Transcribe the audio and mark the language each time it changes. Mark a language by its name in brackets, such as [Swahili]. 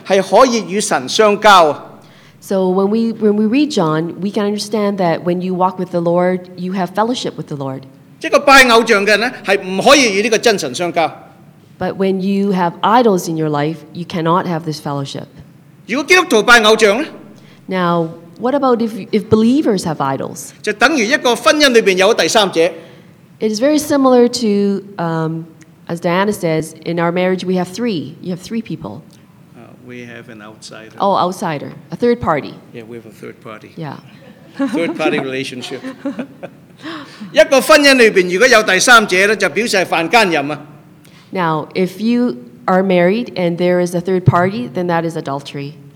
[Chinese] 所以我们可以见到，一个信耶稣的人是可以与神相交。 [English] So when we read John, we can understand that when you walk with the Lord, you have fellowship with the Lord. [Chinese] 一个拜偶像的人是不可以与这个真神相交。 [English] But when you have idols in your life, you cannot have this fellowship. [Chinese] 如果基督徒拜偶像呢? [English] Now, what about if believers have idols? [Chinese] 就等于一个婚姻里面有第三者。 [English] It is very similar to, as Diana says, in our marriage we have three. You have three people. We have an outsider. Oh, outsider. A third party. Yeah, we have a third party. Yeah. Third party relationship. [Chinese] 一个婚姻里面如果有第三者呢，就表示是犯奸淫啊。 [English] Now, if you are married and there is a third party, then that is adultery.